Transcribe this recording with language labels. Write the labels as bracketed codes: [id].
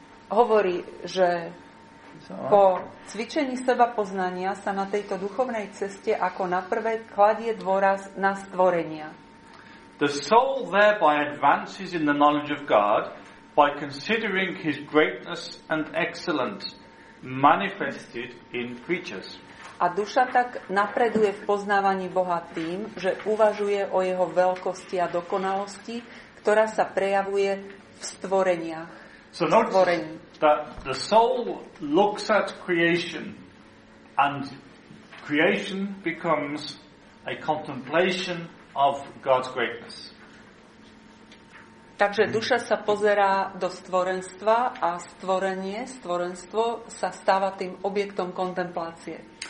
[sk] Hovorí, že po cvičení sebapoznania sa na tejto duchovnej ceste ako na prvé kladie dôraz na stvorenia. [en] The soul thereby advances in the knowledge of God by considering his greatness and excellence manifested in creatures. [sk] A duša tak napreduje v poznávaní Boha tým, že uvažuje o jeho veľkosti a dokonalosti, ktorá sa prejavuje v stvoreniach. [en] So notice that the soul looks at creation and creation becomes a contemplation of God's greatness. [sk] Takže duša sa pozerá do stvorenstva a stvorenstvo sa stáva tým objektom kontemplácie.